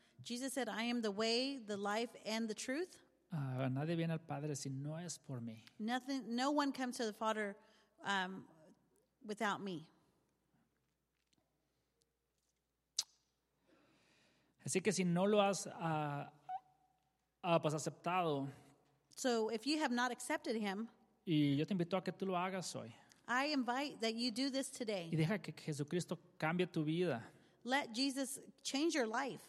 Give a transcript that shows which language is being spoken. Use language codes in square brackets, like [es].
[en] Jesus said, I am the way, the life, and the truth. [es] Nadie viene al Padre si no es por mí. [en] Nothing, no one comes to the Father without me. [es] Así que si no lo has pues aceptado. [en] So if you have not accepted him. [es] Y yo te invito a que tú lo hagas hoy. [en] I invite that you do this today. [es] Y deja que Jesucristo cambie tu vida. [en] Let Jesus change your life.